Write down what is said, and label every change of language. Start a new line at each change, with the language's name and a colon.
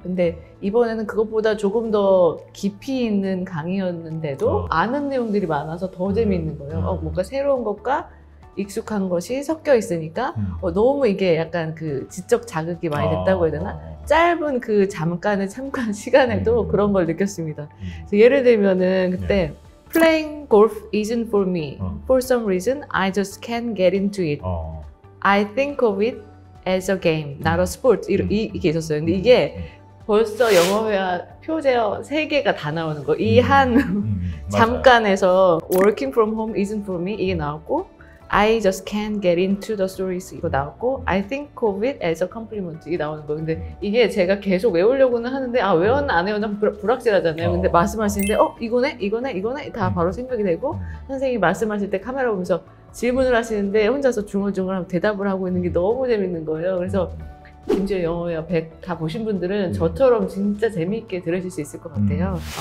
Korean: 근데 이번에는 그것보다 조금 더 깊이 있는 강의였는데도 아는 내용들이 많아서 더 재미있는 거예요. 뭔가 새로운 것과 익숙한 것이 섞여 있으니까 너무 이게 약간 그 지적 자극이 많이 됐다고 해야 되나? 짧은 그 잠깐의 참관 시간에도 그런 걸 느꼈습니다. 그래서 예를 들면은 그때
English: Playing golf isn't for me. For some reason, I just can't get into it. I think of it as a game, not a sport.
Korean: 이게 있었어요. 근데 이게 벌써 영어회화 표제어 3개가 다 나오는 거. 이 한 잠깐에서
English: Working from home isn't for me,
Korean: 이게 나왔고,
English: I just can't get into the stories,
Korean: 이거 나왔고,
English: I think of it as a compliment,
Korean: 이게 나오는 거. 근데 이게 제가 계속 외우려고는 하는데, 외웠나 안 외웠나 불확실하잖아요. 근데 말씀하시는데 이거네 다 바로 생각이 되고, 선생님 말씀하실 때 카메라 보면서 질문을 하시는데 혼자서 중얼중얼 대답을 하고 있는 게 너무 재밌는 거예요. 그래서 김지어 영어회화 100 다 보신 분들은 저처럼 진짜 재미있게 들으실 수 있을 것 같아요.